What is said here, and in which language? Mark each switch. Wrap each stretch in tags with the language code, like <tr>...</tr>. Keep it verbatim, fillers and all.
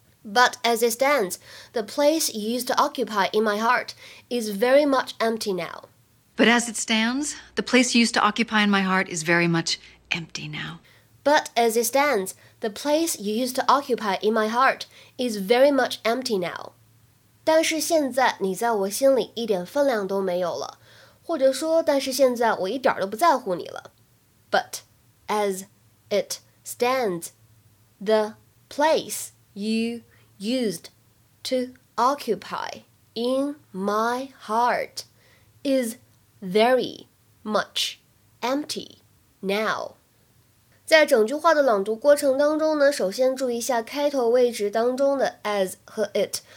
<en>But as it stands, the place you used to occupy in my heart is very much empty now. But as it stands, the place you used to occupy in my heart is very much empty now. But as it stands, the place you used to occupy in my heart is very much empty now.</en> <zh>但是现在你在我心里一点分量都没有了，或者说，但是现在我一点都不在乎你了。</zh> <en>But as it stands, the place you used to occupy in my heart is very much empty now.</en> <zh>在整句话的朗读过程当中呢，首先注意一下开头位置当中的 as 和 it。</zh>